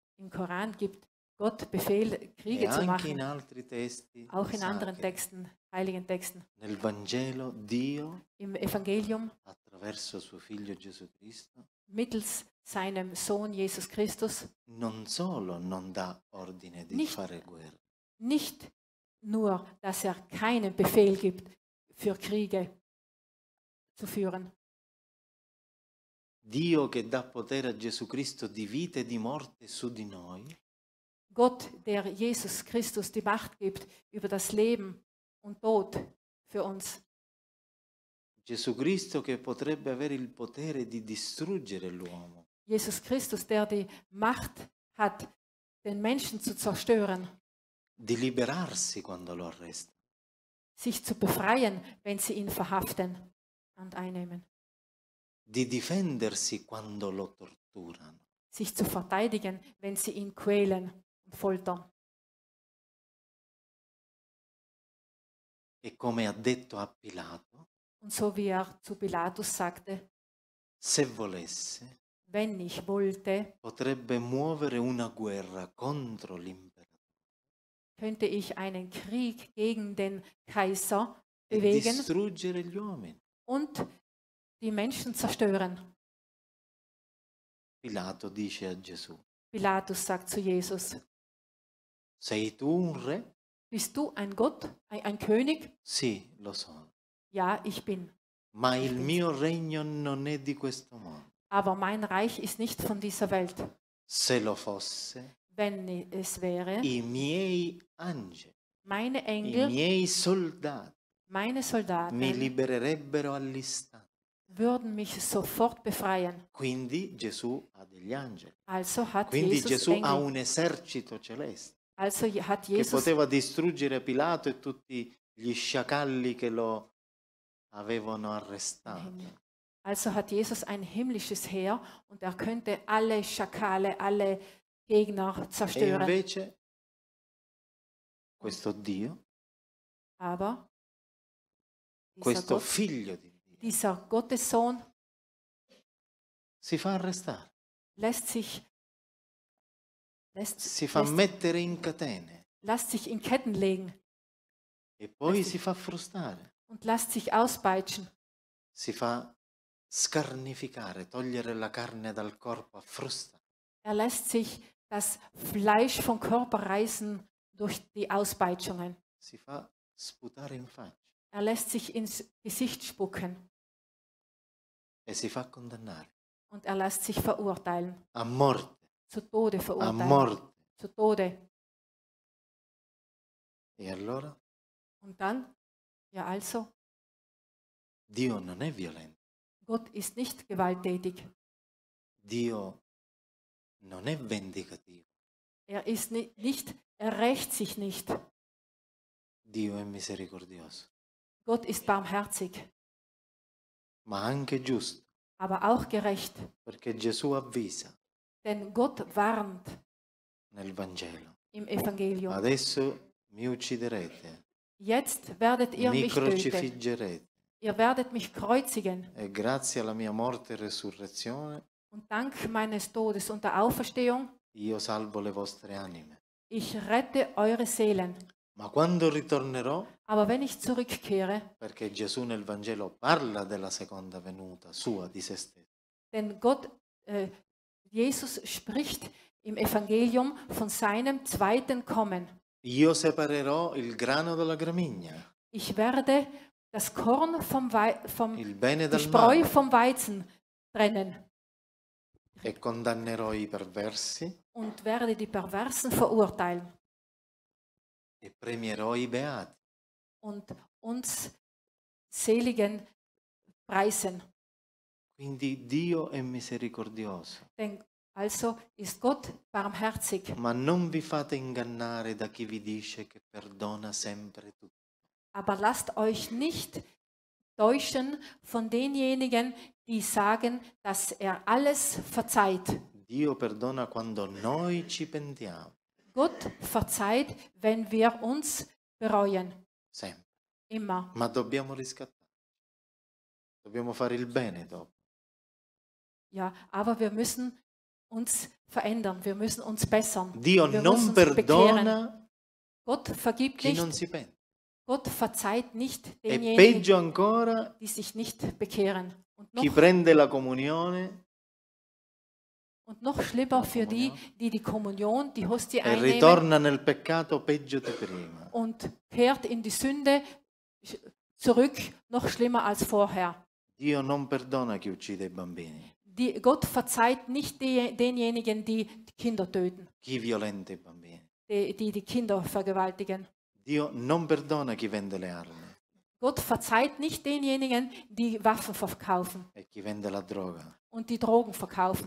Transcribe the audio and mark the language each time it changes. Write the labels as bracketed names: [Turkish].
[German] Im Koran gibt Gott Befehl, Kriege zu machen. [Italian] E anche in altri testi, [German] auch in anderen Texten, heiligen Texten. [Italian] Nel Vangelo, Dio, [German] im Evangelium, [Italian] attraverso suo figlio Gesù Cristo, [German] mittels seinem Sohn Jesus Christus, [Italian] non solo non dà ordine di fare guerre, [German] nicht nur, dass er keinen Befehl gibt, für Kriege zu führen. [Italian] Dio che dà potere a Gesù Cristo di vita e di morte su di noi. [German] Gott, der Jesus Christus die Macht gibt über das Leben und Tod für uns. [Italian] Gesù Cristo che potrebbe avere il potere di distruggere l'uomo. [German] Jesus Christus, der die Macht hat, den Menschen zu zerstören. [Italian] Di liberarsi quando lo arrestano. [German] Sich zu befreien, wenn sie ihn verhaften und einnehmen. [Italian] Di difendersi quando lo torturano. [German] Sich zu verteidigen, wenn sie ihn quälen und foltern. [Italian] E come ha detto a Pilato. [German] Und so wie er zu Pilatus sagte, [Italian] se volesse, [German] wenn ich wollte, [Italian] potrebbe muovere una guerra contro l'imperatore, [German] könnte ich einen Krieg gegen den Kaiser bewegen [Italian] e distruggere gli uomini. [German] Und die Menschen zerstören. [Italian] Pilato dice a Gesù, [German] Pilatus sagt zu Jesus, [Italian] sei tu un re? [German] Bist du ein Gott, ein König? [Italian] Sì, lo sono. [German] Ja, ich bin. [Italian] Ma il mio regno non è di questo mondo. [German] Aber mein Reich ist nicht von dieser Welt. [Italian] Se lo fosse, [German] wenn es wäre, [Italian] i miei angeli, [German] meine Engel, [Italian] i miei soldati, [German] meine Soldaten, [Italian] mi libererebbero all'istante, [German] würden mich sofort befreien. [Italian] Quindi Gesù ha degli angeli. [German] Also hat [Italian] Quindi [German] Jesus [Italian] Gesù [German] Engel. [Italian] Ha un esercito celeste. [German] Also hat Jesus, [Italian] che poteva distruggere Pilato e tutti gli sciacalli che lo avevano arrestato. [German] Also hat Jesus ein himmlisches Heer und er könnte alle Schakale, alle Gegner zerstören. [Italian] E invece questo Dio, [German] aber [Italian] questo Gott, figlio di Dio, [German] dieser Gottessohn, [Italian] si fa arrestare. [German] Lässt sich [Italian] mettere in catene. [German] Lässt sich in Ketten legen. [Italian] E poi si fa frustare. [German] Und lasst sich auspeitschen. [Italian] Si fa scarnificare, togliere la carne dal corpo a frusta. [German] Er lässt sich das Fleisch vom Körper reißen durch die Auspeitschungen. [Italian] Si fa sputare in faccia. [German] Er lässt sich ins Gesicht spucken. [Italian] E si fa condannare. [German] Und er lässt sich verurteilen. [Italian] A morte. [German] Zu Tode verurteilen. [Italian] A morte. [German] Zu Tode. [Italian] E allora? [German] Und dann? Ja, also. [Italian] Dio non è violento. [German] Gott ist nicht gewalttätig. [Italian] Dio non è vendicativo. [German] Er ist nicht, er rächt sich nicht. [Italian] Dio è misericordioso. [German] Gott ist barmherzig. [Italian] Ma anche giusto. [German] Aber auch gerecht. [Italian] Perché Gesù avvisa. [German] Denn Gott warnt. [Italian] Nel Vangelo. [German] Im Evangelium. [Italian] Adesso mi ucciderete. [German] Jetzt werdet ihr [Italian] mi [German] mich [Italian] crocifiggerete. [German] Ihr werdet mich kreuzigen. [Italian] E grazie alla mia morte e resurrezione. [German] Und dank meines Todes und der Auferstehung. [Italian] Io salvo le vostre anime. [German] Ich rette eure Seelen. [Italian] Ma quando ritornerò? [German] Aber wenn ich zurückkehre. [Italian] Perché Gesù nel Vangelo parla della seconda venuta sua di se stesso. [German] Denn Gott, Jesus spricht im Evangelium von seinem zweiten Kommen. [Italian] Io separerò il grano dalla gramigna. [German] Ich werde das Korn vom Spreu vom Weizen trennen. [Italian] E condannerò i perversi. [German] Und werde die Perversen verurteilen. [Italian] E premierò i beati. [German] Und uns Seligen preisen. [Italian] Quindi Dio è misericordioso. [German] Also ist Gott barmherzig. [Italian] Ma non vi fate ingannare da chi vi dice che perdona sempre tutto. [German] Aber lasst euch nicht täuschen von denjenigen, die sagen, dass er alles verzeiht. [Italian] Dio perdona quando noi ci pentiamo. [German] Gott verzeiht, wenn wir uns bereuen. [Italian] Sempre. [German] Immer. [Italian] Ma dobbiamo riscattare. Dobbiamo fare il bene dopo. [German] Ja, aber wir müssen uns verändern, wir müssen uns bessern. [Italian] Dio [German] wir [Italian] non perdona. [German] Gott vergibt [Italian] chi [German] nicht. [Italian] Non si pente. [German] Gott verzeiht nicht denjenigen, [Italian] e peggio ancora, [German] die sich nicht bekehren. Und noch, [Italian] chi prende la comunione, [German] und noch schlimmer für die, die die Kommunion, die Hostie [Italian] e [German] einnehmen, [Italian] ritorna nel peccato peggio di prima. [German] Und kehrt in die Sünde zurück, noch schlimmer als vorher. [Italian] Dio non perdona chi uccide i bambini. [German] Gott verzeiht nicht denjenigen, die Kinder töten. [Italian] Chi violenta i bambini. [German] Die Kinder vergewaltigen. [Italian] Dio non perdona chi vende le armi. [German] Gott verzeiht nicht denjenigen, die Waffen verkaufen. [Italian] E chi vende la droga. [German] Und die Drogen verkaufen.